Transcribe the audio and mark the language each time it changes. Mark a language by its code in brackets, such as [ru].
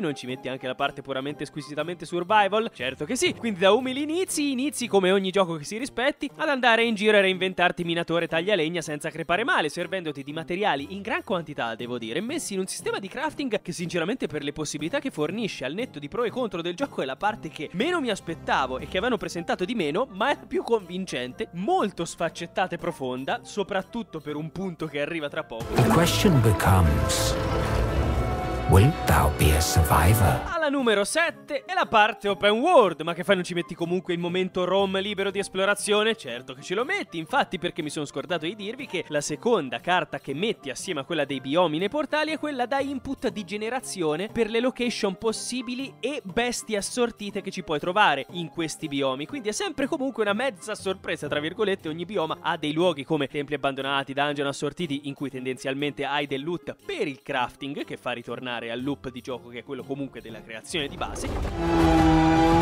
[it] Non ci metti anche la parte puramente squisitamente survival? Certo che sì, quindi da umili inizi come ogni gioco che si rispetti, ad andare in giro e reinventarti minatore taglialegna senza crepare male, servendoti di materiali in gran quantità, devo dire, messi in un sistema di crafting che sinceramente per le possibilità che fornisce al netto di pro e contro del gioco è la parte che meno mi aspettavo e che avevano presentato di meno, ma è la più convincente, molto sfaccettata e profonda, soprattutto per un punto che arriva tra poco. [en] The question becomes, wilt thou be a survivor? [it] Alla numero 7 è la parte open world, ma che fai, non ci metti comunque il momento ROM libero di esplorazione? Certo che ce lo metti, infatti perché mi sono scordato di dirvi che la seconda carta che metti assieme a quella dei biomi nei portali è quella da input di generazione per le location possibili e bestie assortite che ci puoi trovare in questi biomi, quindi è sempre comunque una mezza sorpresa tra virgolette, ogni bioma ha dei luoghi come templi abbandonati, dungeon assortiti in cui tendenzialmente hai del loot per il crafting che fa ritornare al loop di gioco che è quello comunque della creazione di base.